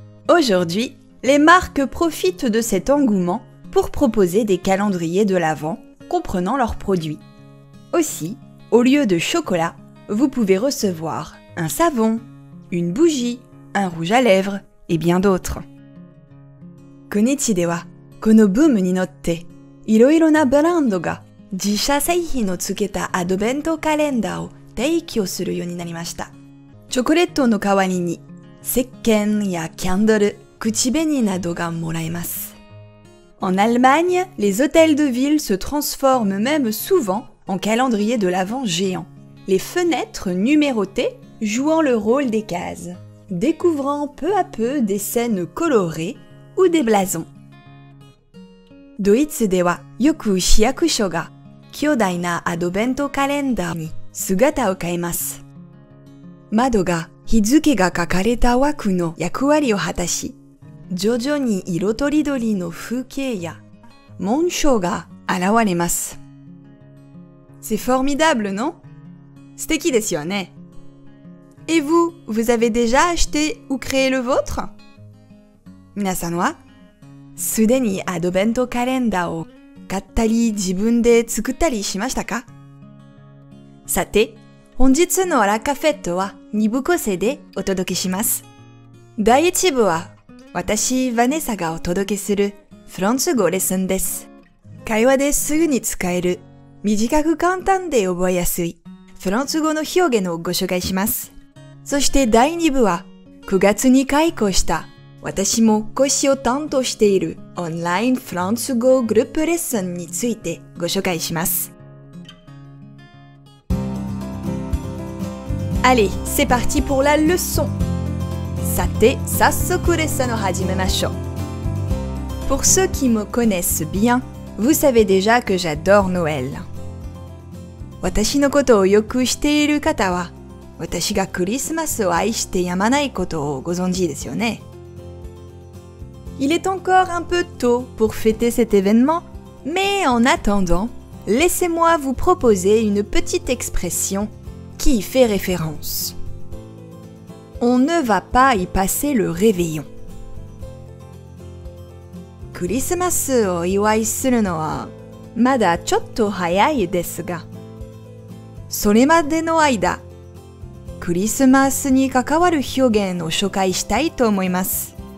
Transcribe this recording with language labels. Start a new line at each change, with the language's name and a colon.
French: Aujourd'hui, les marques profitent de cet engouement pour proposer des calendriers de l'Avent comprenant leurs produits. Aussi, au lieu de chocolat, vous pouvez recevoir un savon, une bougie, un rouge à lèvres et bien d'autres.
Japanese: Konichi dewa, kono boom ni notte, iroiro na brando ga jisha seihin no tsuketa adobento calendar o提供するようになりました。チョコレートの代わりに、石鹸やキャンドル、口紅などがもらえます。
French: En Allemagne, les hôtels de ville se transforment même souvent en calendrier de l'Avent géant. Les fenêtres numérotées jouant le rôle des cases, découvrant peu à peu des scènes colorées ou des blasons.
Japanese: ドイツでは、よく市役所が、強大なアドベントカレンダーに、姿を変えます。窓が日付が書かれた枠の役割を果たし、徐々に色とりどりの風景や紋章が現れます。
French: C'est formidable, non?
Japanese: 素敵ですよね。
French: Et vous, vous avez déjà acheté ou créé le vôtre?
Japanese: 皆さんは、すでにアドベントカレンダーを買ったり自分で作ったりしましたか？さて、本日のアラカフェットは2部構成でお届けします。第1部は、私、ヴァネサがお届けするフランス語レッスンです。会話ですぐに使える、短く簡単で覚えやすいフランス語の表現をご紹介します。そして第2部は、9月に開講した私も講師を担当しているオンラインフランス語グループレッスンについてご紹介します。
French: Allez, c'est parti pour la leçon!
Japanese: さて、早速レッスンを始めましょう。
French: Pour ceux qui me connaissent bien, vous savez déjà que j'adore Noël.
Japanese: 私のことをよく知っている方は、私がクリスマスを愛してやまないことをご存知ですよね。
French: Il est encore un peu tôt pour fêter cet événement, mais en attendant, laissez-moi vous proposer une petite expression qui y fait référence. On ne va pas y passer le réveillon.
Japanese: クリスマスを祝いするのはまだちょっと早いですが、それまでの間、クリスマスに関わる表現を紹介したいと思います。